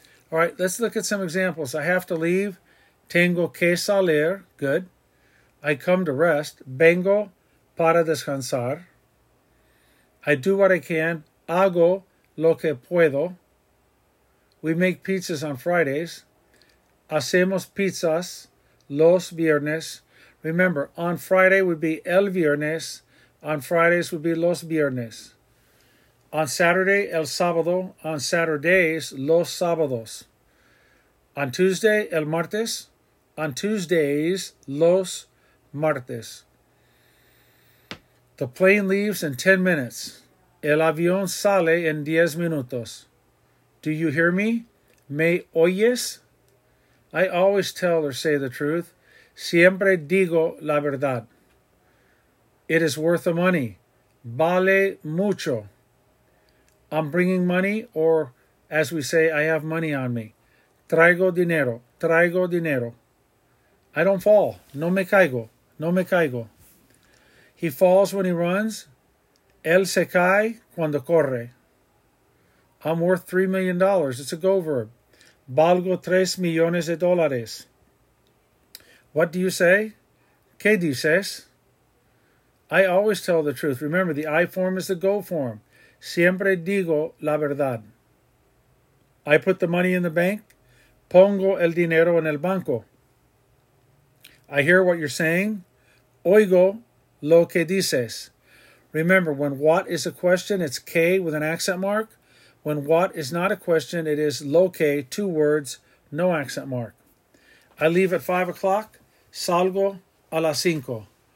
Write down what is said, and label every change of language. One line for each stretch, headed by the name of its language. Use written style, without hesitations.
English: All right, let's look at some examples. I have to leave.
Spanish: Tengo que salir.
English: Good. I come to rest.
Spanish: Vengo para descansar.
English: I do what I can.
Spanish: Hago lo que puedo.
English: We make pizzas on Fridays.
Spanish: Hacemos pizzas los viernes.
English: Remember, on Friday would be
Spanish: el viernes.
English: On Fridays would be
Spanish: los viernes.
English: On Saturday,
Spanish: el sábado.
English: On Saturdays,
Spanish: los sábados.
English: On Tuesday,
Spanish: el martes.
English: On Tuesdays,
Spanish: los martes.
English: The plane leaves in 10 minutes.
Spanish: El avión sale en 10 minutos.
English: Do you hear me?
Spanish: ¿Me oyes?
English: I always tell or say the truth.
Spanish: Siempre digo la verdad.
English: It is worth the money.
Spanish: Vale mucho.
English: I'm bringing money, or as we say, I have money on me.
Spanish: Traigo dinero. Traigo dinero.
English: I don't fall.
Spanish: No me caigo. No me caigo.
English: He falls when he runs.
Spanish: Él se cae cuando corre.
English: I'm worth $3 million. It's a go verb.
Spanish: Valgo tres millones de dólares.
English: What do you say?
Spanish: ¿Qué dices?
English: I always tell the truth. Remember, the I form is the go form.
Spanish: Siempre digo la verdad.
English: I put the money in the bank.
Spanish: Pongo el dinero en el banco.
English: I hear what you're saying. Oigo lo que dices. Remember, when what is a question, it's K with an accent mark. When what is not a question, it is low K, two words, no accent mark. I leave at 5 o'clock.
Spanish: Salgo a las 5.